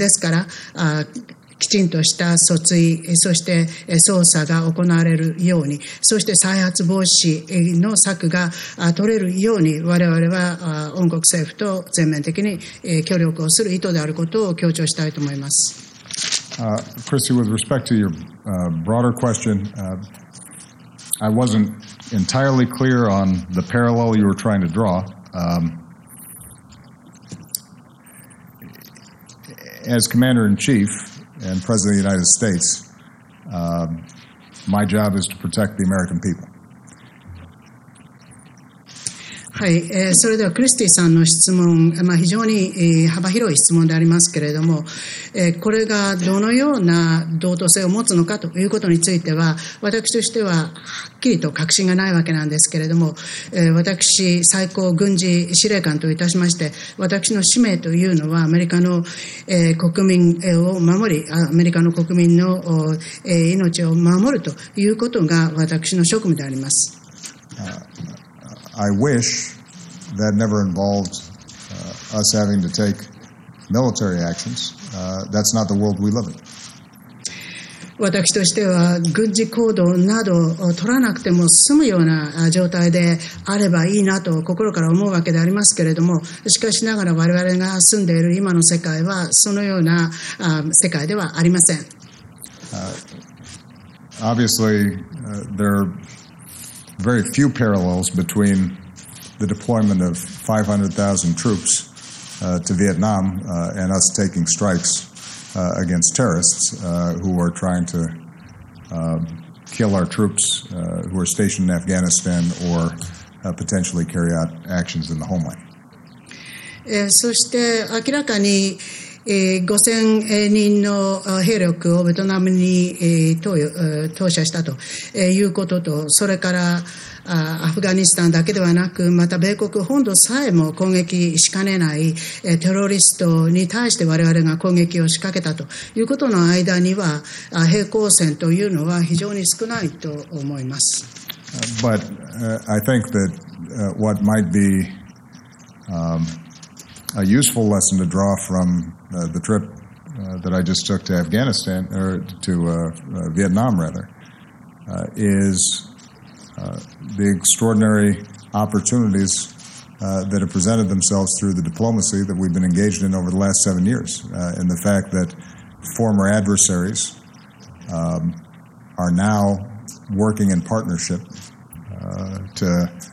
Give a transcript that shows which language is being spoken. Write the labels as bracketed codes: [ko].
[ja] ですから、きちんとした訴追、そして捜査が行われるように、そして再発防止の策が取れるように、我々は恩国政府と全面的に協力をする意図であることを強調したいと思います。 [en] Chrissy, with respect to your broader question, I wasn't entirely clear on the parallel you were trying to draw. As Commander-in-Chief,and President of the United States, my job is to protect the American people. [ja] はい、それではクリスティさんの質問、まあ、非常に幅広い質問でありますけれども、これがどのような道徳性を持つのかということについては、私としてははっきりと確信がないわけなんですけれども、私最高軍事司令官といたしまして、私の使命というのはアメリカの国民を守り、アメリカの国民の命を守るということが私の職務であります。 [en] I wish that never involved us having to take military actions. That's not the world we live in. [ja] 私としては軍事行動などを取らなくても済むような状態であればいいなと心から思うわけでありますけれども、しかしながら我々が住んでいる今の世界はそのような世界ではありません。 [en] Obviously, there are very few parallels between the deployment of 500,000 troops to Vietnam and us taking strikes against terrorists who are trying to kill our troops who are stationed in Afghanistan or potentially carry out actions in the homeland. [ja] そして明らかに5000人の兵力をベトナムに投射したということと、それからアフガニスタンだけではなく、また米国本土さえも攻撃しかねないテロリストに対して我々が攻撃を仕掛けたということの間には、平行線というのは非常に少ないと思います。 [en] But, I think that, what might be, a useful lesson to draw from, the trip, that I just took to Afghanistan, or to, Vietnam rather, is,the extraordinary opportunities that have presented themselves through the diplomacy that we've been engaged in over the last 7 years, and the fact that former adversaries are now working in partnership to